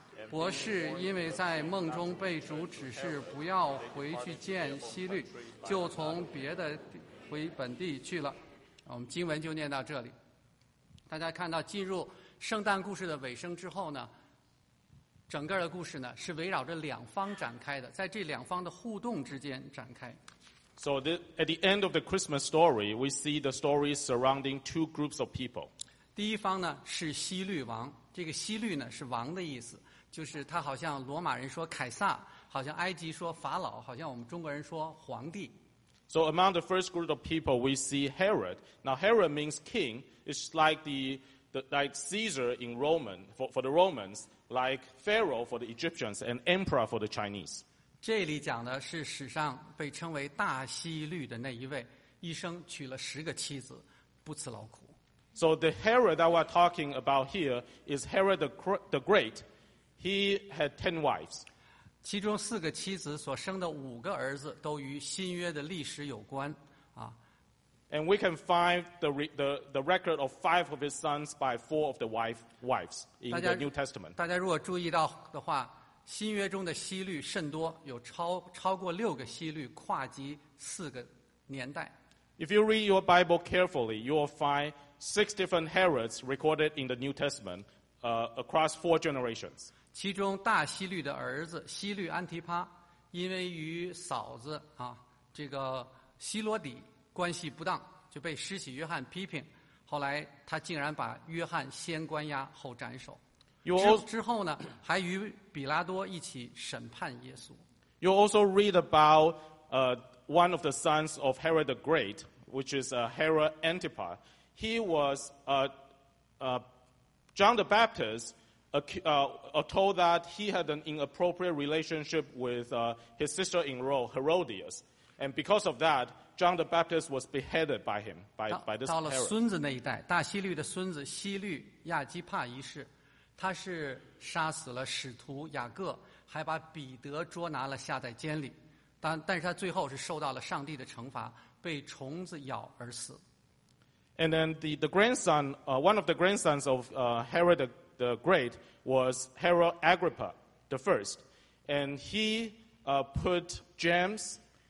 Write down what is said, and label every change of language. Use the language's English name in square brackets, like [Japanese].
[Chinese] 博士因为在梦中被主指示不要回去见希律，就从别的回本地去了。我们经文就念到这里。大家看到进入圣诞故事的尾声之后呢，整个的故事呢是围绕着两方展开的，在这两方的互动之间展开。 [English] So at the end of the Christmas story, we see the story surrounding two groups of people. [Chinese] 第一方呢是希律王，这个希律呢是王的意思，就是他好像罗马人说凯撒，好像埃及说法老，好像我们中国人说皇帝。 [English] So among the first group of people, we see Herod. Now Herod means king. It's like like Caesar in Roman for the Romans, like Pharaoh for the Egyptians, and Emperor for the Chinese. [Chinese] 这里讲的是史上被称为大希律的那一位，一生娶了十个妻子，不辞劳苦。 [English] So the Herod that we're talking about here is Herod the Great. He had 10 wives. [Chinese] 其中四个妻子所生的五个儿子都与新约的历史有关。 [English] And we can find the record of 5 of his sons by 4 of the wives in the New Testament. [Chinese] 大家如果注意到的话，新约中的希律甚多，有超过6个希律，跨及4个年代。 [English] If you read your Bible carefully, you will find 6 different Herods recorded in the New Testament, across 4 generations. [Chinese] 其中大希律的儿子希律安提帕，因为与嫂子啊这个希罗底关系不当，就被施洗约翰批评，后来他竟然把约翰先关押后斩首。之后呢还与比拉多一起审判耶稣。 [English] You also read about one of the sons of Herod the Great, which is Herod Antipas. He was John the Baptist told that he had an inappropriate relationship with his sister-in-law Herodias, and because of that,John the Baptist was beheaded by him, by this Herod. [Chinese] 到了孙子那一代，大希律的孙子希律亚基帕一世，他是杀死了使徒雅各，还把彼得捉拿了下在监里。但是他最后是受到了上帝的惩罚，被虫子咬而死。 [English] And then the grandson, one of the grandsons of Herod the Great was Herod Agrippa the First, and he put James.